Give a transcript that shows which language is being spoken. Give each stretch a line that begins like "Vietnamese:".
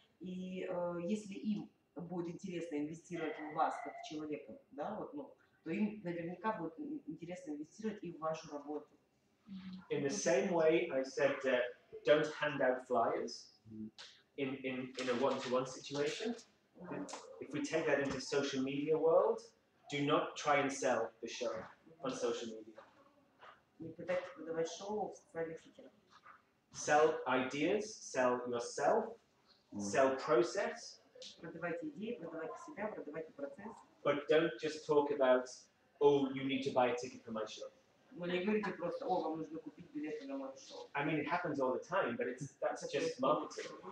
Russian: И если им будет интересно инвестировать в вас как в человека, да, вот, ну, то им наверняка будет интересно инвестировать и в вашу работу.
English: In the same way, I said that don't hand out flyers in a one-to-one situation. If we take that into social media world, do not try and sell the show on social media.
Russian: Не пытайтесь продавать шоу в социальных сетях.
English: Sell ideas, sell yourself, sell process.
Russian: Продавайте идеи, продавайте себя, продавайте процесс.
English: But don't just talk about, oh, you need to buy a ticket for my show.
Russian: Ну не говорите просто, о, вам нужно купить билеты на мой шоу.
English: I mean, it happens all the time, but it's that's just marketing.